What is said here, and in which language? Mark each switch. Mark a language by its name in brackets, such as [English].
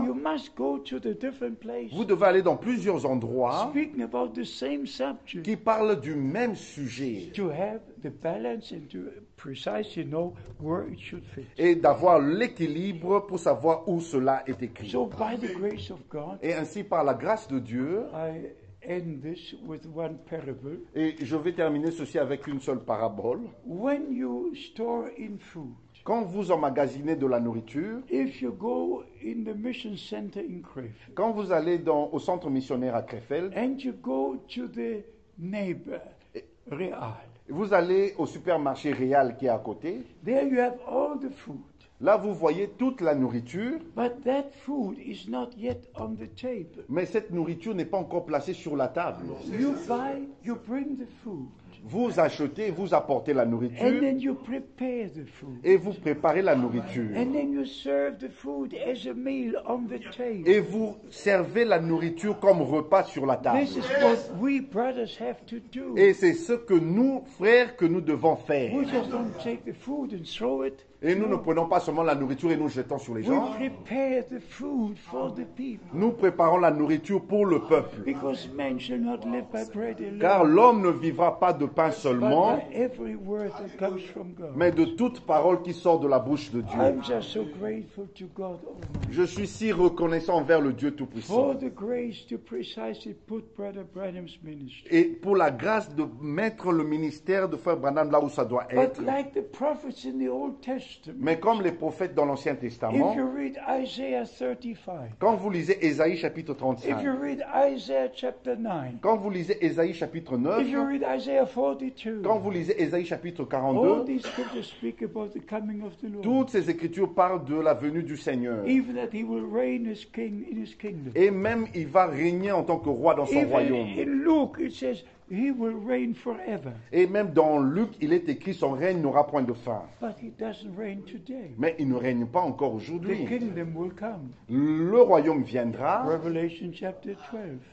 [English] No, you must go to the different places. [French] Vous devez aller dans plusieurs endroits. [English] Speaking about the same subject. [French] Qui parle du même sujet. [English] To have the balance and to precisely know where it should fit. [French] Et d'avoir l'équilibre pour savoir où cela est écrit. [English] So by the grace of God, [French] et ainsi par la grâce de Dieu, [English] I end this with one parable. [French] Et je vais terminer ceci avec une seule parabole. [English] When you store in food, [French] quand vous emmagasinez de la nourriture, [English] if you go in the mission center in Krefeld, [French] quand vous allez au centre missionnaire à Krefeld, [English] and you go to the neighbor, Real, [French] vous allez au supermarché Real qui est à côté. [English] There you have all the food. [French] Là, vous voyez toute la nourriture. [English] But that food is not yet on the table. [French] Mais cette nourriture n'est pas encore placée sur la table. [English] You buy, you bring the food. [French] Vous achetez, vous apportez la nourriture. [English] And then you prepare the food. [French] Et vous préparez la nourriture. [English] And then you serve the food as a meal on the table. [French] Et vous servez la nourriture comme repas sur la table. [English] This is what we brothers have to do. [French] Et c'est ce que nous, frères, que nous devons faire. [English] We just don't take the food and throw it. [French] Et nous ne prenons pas seulement la nourriture et nous jetons sur les gens. [English] We prepare the food for the people. [French] Nous préparons la nourriture pour le peuple. [English] Because man shall not live by bread alone. [French] Car l'homme ne vivra pas de pain seulement, [English] but by every word that comes from God. [French] Mais de toute parole qui sort de la bouche de Dieu. [English] I'm just so grateful to God Almighty. [French] Je suis si reconnaissant envers le Dieu Tout-Puissant. [English] For the grace to precisely put Brother Branham's ministry. [French] Et pour la grâce de mettre le ministère de Frère Branham là où ça doit être. [English] But like the prophets in the Old Testament. [French] Mais comme les prophètes dans l'Ancien Testament, [English] if you read Isaiah 35, [French] quand vous lisez Ésaïe chapitre 35, [English] if you read Isaiah chapter 9, [French] quand vous lisez Ésaïe chapitre 9, [English] if you read Isaiah 42, [French] quand vous lisez Ésaïe chapitre 42, [English] all these scriptures speak about the coming of the Lord. [French] Toutes ces écritures parlent de la venue du Seigneur. [English] Even that he will reign as king in his kingdom. [French] Et même il va régner en tant que roi dans son [English] Even [French] royaume. [English] In Luke it says, he will reign forever. [French] Et même dans Luc, il est écrit, son règne n'aura point de fin. [English] But he doesn't reign today. [French] Mais il ne règne pas encore aujourd'hui. [English] The kingdom will come. [French] Le royaume viendra. [English] Revelation chapter 12.